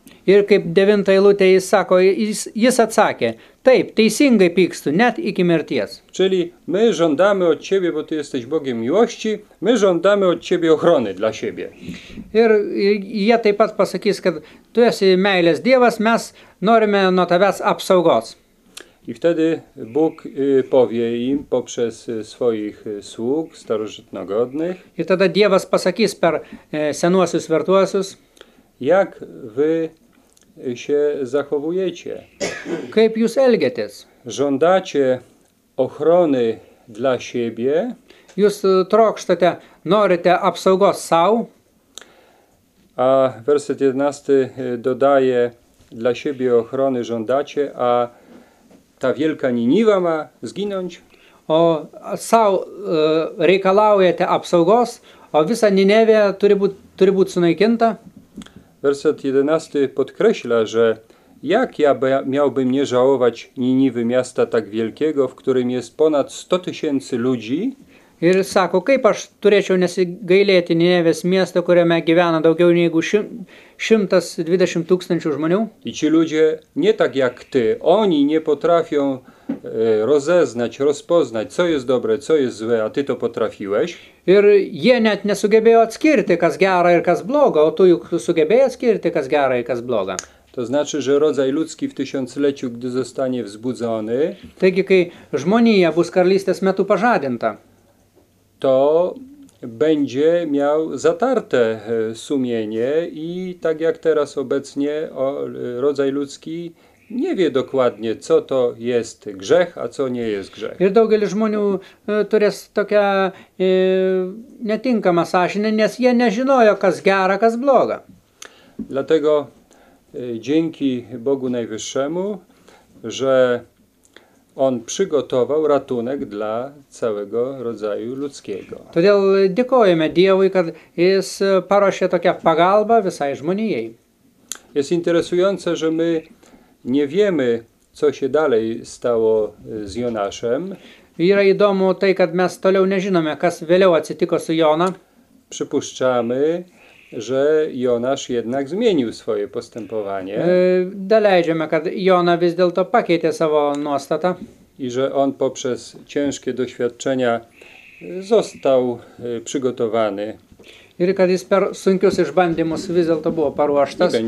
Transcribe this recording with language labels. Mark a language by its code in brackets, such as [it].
[lt] Ir kaip devinta eilutė jis sako, jis atsakė, taip, teisingai pykstu, net iki mirties. [pl] Czyli my žandame od ciebie, bo ty jesteś Bogiem miłości, my žandame od ciebie ochrony dla siebie. [lt] Ir jie taip pat pasakys, kad tu esi meilės Dievas, mes norime nuo tavęs apsaugos. [pl] I wtedy Bóg powie im poprzez swoich sług starożytnogodnych. [lt] Ir tada Dievas pasakys per senuosius vertuosius. [pl] Jak wy się zachowujecie. [lt] Kaip jūs elgiatės? [pl] Żądacie ochrony dla siebie. [lt] Jūs trokštate, norite apsaugos sau. [pl] A werset 11 dodaje, dla siebie ochrony żądacie, a ta wielka Niniwa ma zginąć. [lt] O sau reikalaujate apsaugos, o visa Ninevė turi būt sunaikinta. [pl] Werset 11 podkreśla, że jak ja miałbym nie żałować Niniwy, miasta tak wielkiego, w którym jest ponad 100 tysięcy ludzi. [lt] I sako, kaip aš turėčiau nesigailėti Ninevės miesto, kuriame gyvena daugiau negu 120 tūkstančių žmonių. [pl] I ci ludzie nie tak jak ty, oni nie potrafią rozeznać, rozpoznać, co jest dobre, co jest złe, a ty to potrafiłeś. [lt] Ir jie net nesugebėjo atskirti, kas gera ir kas bloga, o tu juk sugebėjai atskirti, kas gera ir kas bloga. [pl] To znaczy, że rodzaj ludzki w tysiącleciu, gdy zostanie wzbudzony, [lt] taigi, kai žmonija bus karalystės metu pažadinta, [pl] to będzie miał zatarte sumienie i tak jak teraz obecnie rodzaj ludzki nie wie dokładnie, co to jest grzech, a co nie jest grzech. [lt] Ir daugelis žmonių turės tokią netinkamą sąžinę, nes jie nežinojo, kas gera, kas bloga. [pl] Dlatego dzięki Bogu Najwyższemu, że On przygotował ratunek dla całego rodzaju ludzkiego. [lt] Todėl dėkojame Dievui, kad jis paruošė tokią pagalbą visai žmonijai. [pl] Jest interesujące, że my nie wiemy, co się dalej stało z Jonaszem. [lt] Yra įdomu tai, kad mes toliau nežinome, kas vėliau atsitiko su Jona. [pl] Przypuszczamy, że Jonasz jednak zmienił swoje postępowanie. [lt] Daleidžiame, kad Jona vis dėlto pakeitė savo nuostatą. [pl] I że on poprzez ciężkie doświadczenia został przygotowany. [lt] Ir kad jis per sunkius išbandymus vis dėlto buvo paruoštas.